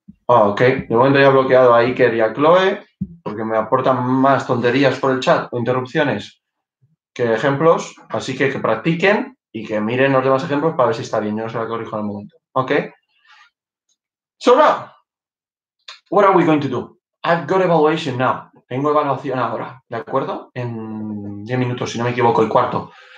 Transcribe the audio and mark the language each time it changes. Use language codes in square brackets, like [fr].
[es] Okay, de momento ya he bloqueado a Iker y a Chloe porque me aportan más tonterías por el chat o interrupciones que ejemplos, así que practiquen y que miren los demás ejemplos para ver si está bien, yo no se la corrijo en el momento. Okay. [en] So now, what are we going to do? I've got evaluation now. [es] Tengo evaluación ahora, ¿de acuerdo? En 10 minutos, si no me equivoco, el cuarto.